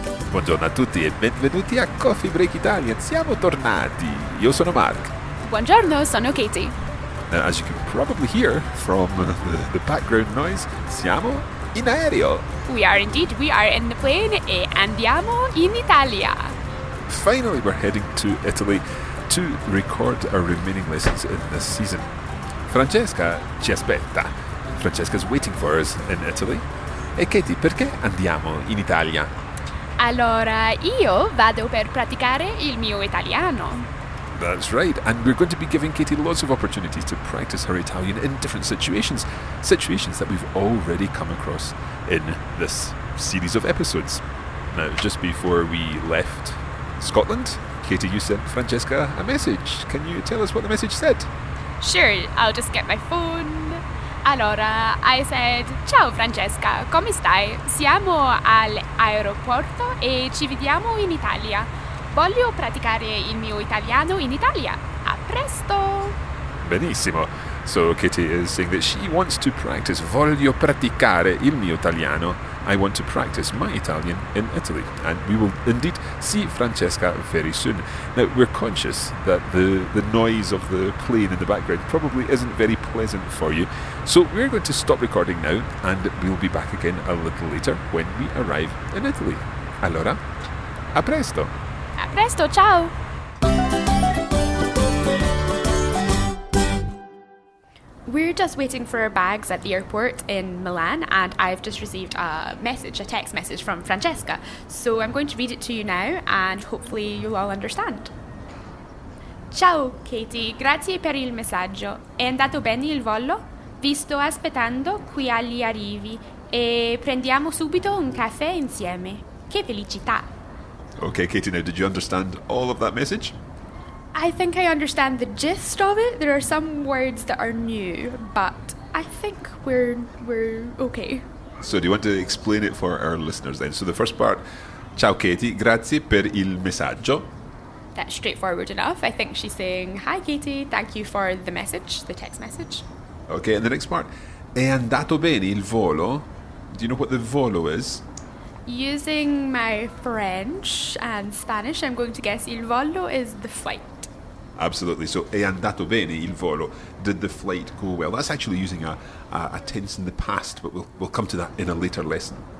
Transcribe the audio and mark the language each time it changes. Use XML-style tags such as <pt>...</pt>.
<it>Buongiorno a tutti e benvenuti a Coffee Break Italian. Siamo tornati. Io sono Mark. Buongiorno, sono Katie.</it> <en>Now, as you can probably hear from the background noise,</en> <it>siamo in aereo.</it> <en>We are indeed. We are in the plane</en> <it>e andiamo in Italia.</it> <en>Finally, we're heading to Italy to record our remaining lessons in this season.</en> <it>Francesca ci aspetta.</it> <en>Francesca's waiting for us in Italy.</en> <it>E Katie, perché andiamo in Italia? Allora, io vado per praticare il mio italiano.</it> <en>That's right, and we're going to be giving Katie lots of opportunities to practice her Italian in different situations, situations that we've already come across in this series of episodes. Now, just before we left Scotland, Katie, you sent Francesca a message. Can you tell us what the message said? Sure, I'll just get my phone.</en> <it>Allora,</it> <en>I said,</en> <it>ciao Francesca, come stai? Siamo all'aeroporto e ci vediamo in Italia. Voglio praticare il mio italiano in Italia. A presto!</it> <en>Benissimo. So Kitty is saying that she wants to practice,</en> <it>voglio praticare il mio italiano.</it> <en>I want to practice my Italian in Italy. And we will indeed see Francesca very soon. Now, we're conscious that the noise of the plane in the background probably isn't very pleasant for you. So we're going to stop recording now and we'll be back again a little later when we arrive in Italy.</en> <it>Allora, a presto! A presto, ciao!</it> <en>We're just waiting for our bags at the airport in Milan, and I've just received a text message from Francesca. So I'm going to read it to you now, and hopefully you'll all understand.</en> <it>Ciao, Katie. Grazie per il messaggio. È andato bene il volo? Vi sto aspettando qui agli arrivi, e prendiamo subito un caffè insieme. Che felicità!</it> <en>Okay, Katie, now did you understand all of that message? I think I understand the gist of it. There are some words that are new, but I think we're okay. So do you want to explain it for our listeners then? So the first part,</en> <it>ciao Katie, grazie per il messaggio.</it> <en>That's straightforward enough. I think she's saying, hi Katie, thank you for the message, the text message. Okay, and the next part,</en> <it>è andato bene il volo?</it> <en>Do you know what the volo is? Using my French and Spanish, I'm going to guess il volo is the flight. Absolutely. So,</en> <it>è andato bene il volo?</it> <en>Did the flight go well? That's actually using a tense in the past, but we'll come to that in a later lesson.</en>